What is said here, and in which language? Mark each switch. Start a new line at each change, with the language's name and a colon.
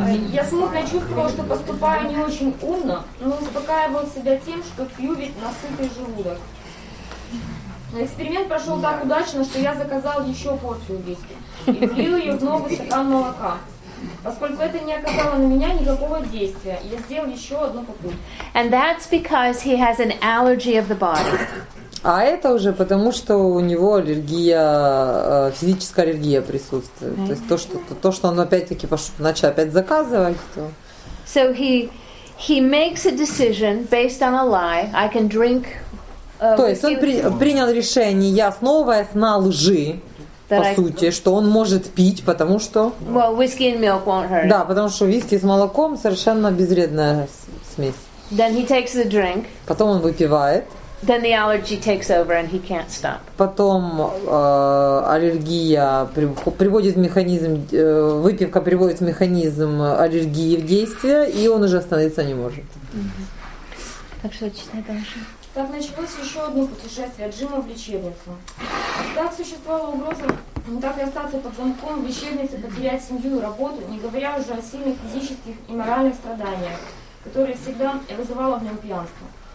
Russian: Я смутно чувствовала, что поступаю не очень умно, но успокаивал себя тем, что пью ведь на сытый желудок. Эксперимент прошел так удачно, что я заказал еще порцию виски и влил ее в новый стакан молока. Поскольку это не оказало на меня никакого действия, я сделал еще одну попытку.
English: And that's because he has an allergy of the body.
Russian: А это уже потому, что у него аллергия, физическая аллергия присутствует.
English: Right.
Russian: То есть то, что он опять-таки начал опять заказывать, то.
English: So he makes a decision based on a lie. I can drink.
Russian: То есть он принял решение, я основываясь на лжи. По сути, что он может пить, потому что...
English: Well, whiskey and milk won't hurt.
Russian: Да, потому что виски с молоком совершенно безвредная смесь.
English: Then he takes the drink.
Russian: Потом он выпивает.
English: Then the allergy takes over and he can't stop.
Russian: Потом аллергия приводит механизм, выпивка приводит механизм аллергии в действие, и он уже остановиться не может. Mm-hmm. Так что читай дальше. Так началось еще одно путешествие Джима в лечебницу. Так существовала угроза не так и остаться под замком в лечебнице, потерять семью и работу, не говоря уже о сильных физических и моральных страданиях, которые всегда вызывало в нем пьянство.